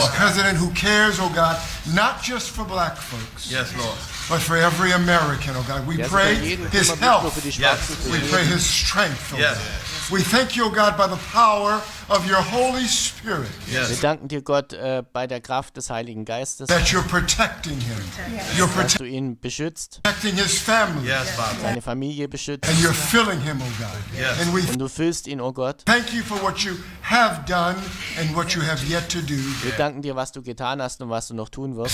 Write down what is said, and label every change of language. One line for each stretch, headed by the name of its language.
English: This president who cares, oh God, not just for black folks. Yes, Lord. But for every American, oh God, we pray his health. Yes. We pray his strength, oh God. Yes. We thank you, oh God, by the power of your Holy Spirit. Yes.
German: Wir danken dir, Gott, bei der Kraft des Heiligen Geistes.
English: That you're protecting him. Yes. You're
German: dass du ihn beschützt.
English: Protecting his family. Yes, Father.
German: Seine Familie beschützt.
English: And you're filling him, oh God. Yes.
German: And und du füllst ihn, oh Gott.
English: Thank you for what you have done and what you have yet to do.
German: Wir danken dir, was du getan hast und was du noch tun wirst.